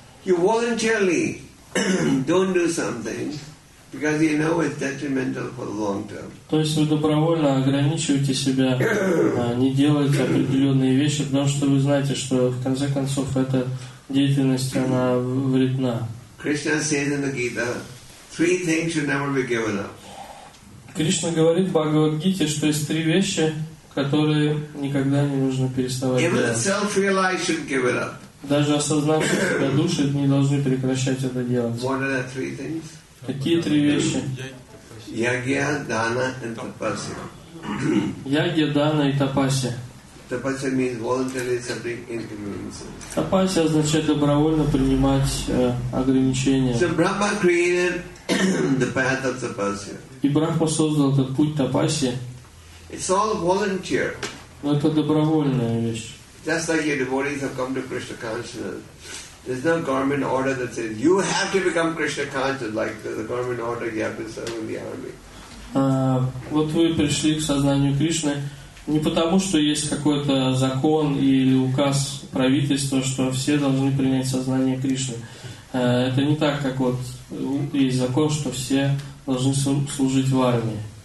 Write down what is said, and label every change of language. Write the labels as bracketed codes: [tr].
[en] You voluntarily don't do something because you know it's detrimental for the long term. [ru] То есть вы добровольно ограничиваете себя, не делаете определенные вещи, потому что вы знаете, что в конце концов эта деятельность она вредна. [en] Krishna says in the Gita, three things should never be given up. [ru] Кришна говорит в Бхагавад-гите, что есть три вещи, которые никогда не нужно переставать делать. Даже осознав себя души, не должны прекращать это делать. [en] What are the three things? [ru] Какие три вещи? Ягья, дана и тапасья. Ягья, дана и тапасья. [en] Тапасья means voluntarily accepting inconveniences. [ru] Тапасья означает добровольно принимать ограничения. [en] So Brahma created the path of tapasya. [ru] И Брахма создал этот путь тапасья. [en] It's all volunteer. [ru] Но это добровольная вещь. [en] Just like your devotees have come to Krishna consciousness. There's no government order that says you have to become Krishna conscious, like the government order you have to serve in the army. [ru] Вот вы пришли к сознанию Кришны не потому, что есть какой-то закон или указ правительства, что все должны принять сознание Кришны. Это не так, как вот есть закон, что все должны служить в армии.